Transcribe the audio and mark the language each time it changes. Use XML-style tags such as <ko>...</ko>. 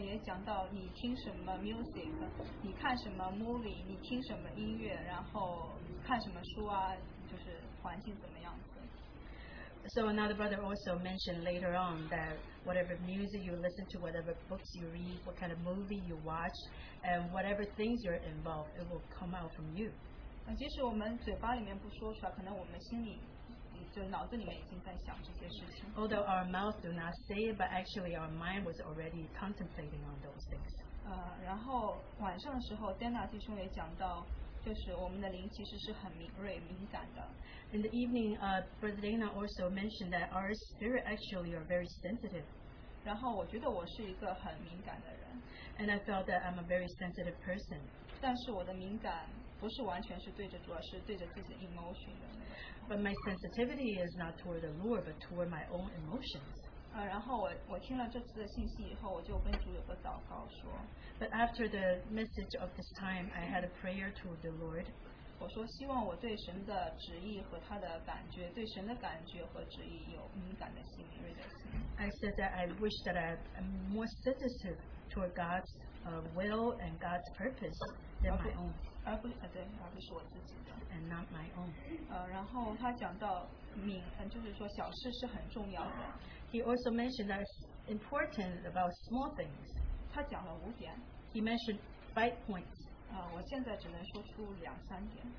<zh>然后后面几位弟兄也讲到你听什么 music, 你看什么 movie, 你听什么音乐, 然后看什么书啊, 就是环境怎么样子。</zh> <en>So another brother also mentioned later on that whatever music you listen to, whatever books you read, what kind of movie you watch, and whatever things you're involved, it will come out from you.</en> <zh>即使我们嘴巴里面不说出来，可能我们心里。</zh> <en>Although our mouth do not say it, but actually our mind was already contemplating on those things.</en> <zh>然后晚上的时候 Dana 弟兄也讲到，就是我们的灵其实是很敏锐、敏感的。</zh> <en>In the evening, Brother Dana also mentioned that our spirit actually are very sensitive.</en> <zh>然后我觉得我是一个很敏感的人。</zh> <en>And I felt that I'm a very sensitive person.</en> <zh>但是我的敏感不是完全是对着主，而是对着自己的 emotion 的。</zh> <en>But my sensitivity is not toward the Lord, but toward my own emotions.</en> <zh>然后我听了这次的信息以后，我就跟主有个祷告说。</zh> <en>But after the message of this time, I had a prayer to the Lord.</en> <zh>我说希望我对神的旨意和他的感觉，对神的感觉和旨意有敏感的心、敏锐的心。</zh> <en>I said that I wish that I am more sensitive toward God's will and God's purpose than my own.</en> <zh>而不是我自己的。然后他讲到敏，就是说小事是很重要的。</zh> <en>He also mentioned that it's important about small things.</en> <zh>他讲了五点。</zh> <en>He mentioned 5 points.</en> <zh>我现在只能说出两三点。</zh>